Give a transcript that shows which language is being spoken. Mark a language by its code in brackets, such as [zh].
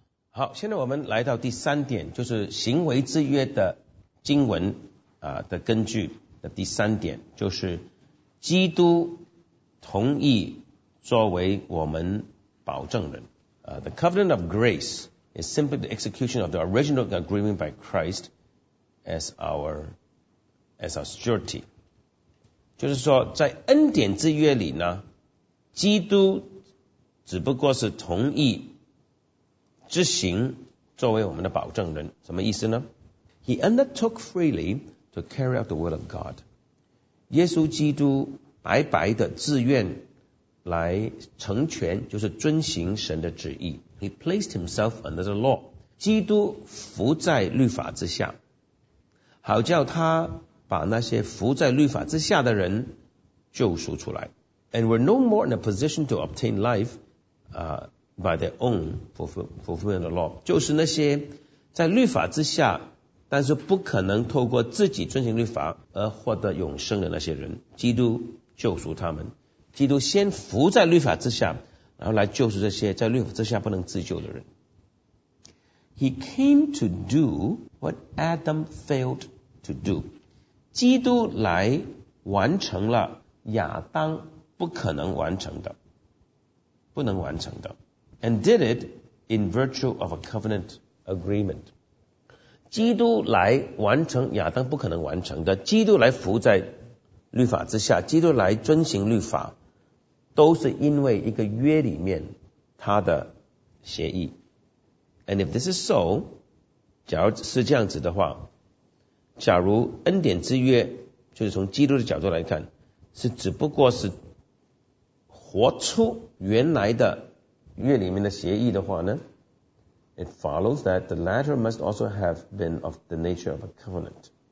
[zh] 好，现在我们来到第三点，就是行为之约的经文的根据的第三点，就是基督同意作为我们保证人。 [en] The covenant of grace is simply the execution of the original agreement by Christ as our surety. [zh] 就是说在恩典之约里呢，基督只不过是同意执行作为我们的保证人。什么意思呢？ [en] He undertook freely to carry out the will of God. [zh] 耶稣基督白白的自愿来成全，就是遵行神的旨意。 [en] He placed himself under the law. [zh] 基督服在律法之下，好叫他把那些服在律法之下的人救赎出来。 [en] And we're no more in a position to obtain life by their own fulfillment of the law. [zh] 就是那些在律法之下但是不可能透过自己遵行律法而获得永生的那些人，基督救赎他们。基督先服在律法之下，然后来救赎这些在律法之下不能自救的人。 [en] He came to do what Adam failed to do. [zh] 基督来完成了亚当不可能完成的，不能完成的。 [en] And did it in virtue of a covenant agreement. [zh] 基督来完成亚当不可能完成的，基督来服在律法之下，基督来遵行律法，都是因为一个约里面他的协议。 [en] And if this is so, [zh] 假如是这样子的话，假如恩典之约就是从基督的角度来看是只不过是活出原来的约里面的协议的话呢， [en] It follows that the latter must also have been of the nature of a covenant.